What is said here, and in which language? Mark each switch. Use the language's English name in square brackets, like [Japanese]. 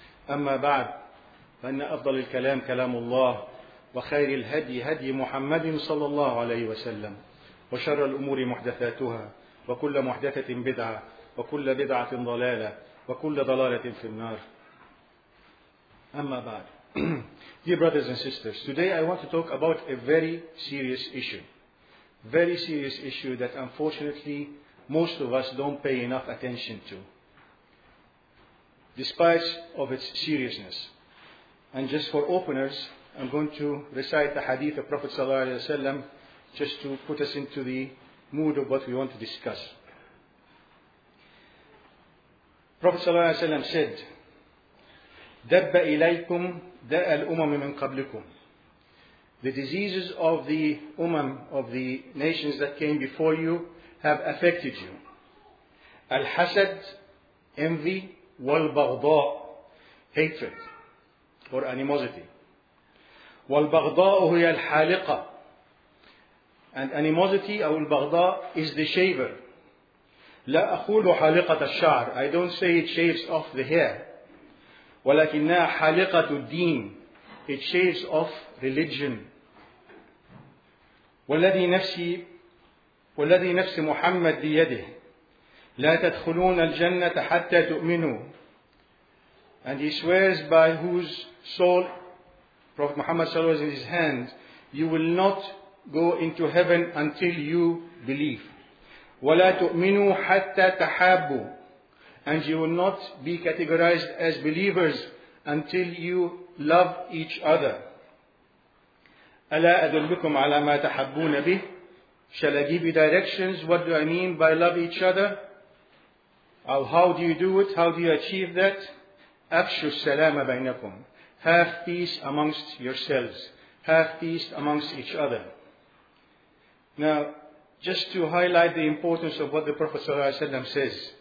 [Arabic] أما بعد، فإن أفضل الكلام كلام الله، وخير الهدي هدي محمد صلى الله عليه وسلم، وشر الأمور محدثاتها، وكل محدثة بدعة، وكل بدعة ضلالة، وكل ضلالة في النار. أما بعد. [English] Dear brothers and sisters, today I want to talk about a very serious issue. Very serious issue that unfortunately most of us don't pay enough attention to, despite of its seriousness. And just for openers, I'm going to recite the hadith of Prophet Sallallahu Alaihi Wasallam just to put us into the mood of what we want to discuss. Prophet Sallallahu Alaihi Wasallam said, [Arabic] دَبَّ إِلَيْكُمْ دَأَ الْأُمَمِ مِنْ قَبْلِكُمْ. [English] The diseases of the umam, of the nations that came before you, have affected you. Al-hasad, envy, wal-baghda, hatred or animosity. [Arabic] Wal-baghda huya al-haliqa, [English] and animosity or al-baghda is the shaver. [Arabic] La aqulu haliqat al-sha'r, [English] I don't say it shaves off the hair. [Arabic] Walakinna haliqat al-deen, [English] it shaves off religion. [Arabic] Walladhi nafsi والذي نفس محمد بيده لا تدخلون الجنة حتى تؤمنوا. [English] And he swears by whose soul Prophet Muhammad [Arabic] صلى الله عليه وسلم [English] is in his hand, you will not go into heaven until you believe. [Arabic] ولا تؤمنوا حتى تحابوا. [English] And you will not be categorized as believers until you love each other. [Arabic] ألا أدلكم على ما تحبون به. [English] Shall I give you directions? What do I mean by love each other? How do you do it? How do you achieve that? [Arabic] أَفْشُ السَّلَامَ بَيْنَكُمْ. [English] Have peace amongst yourselves. Have peace amongst each other. Now, just to highlight the importance of what the Prophet ﷺ says.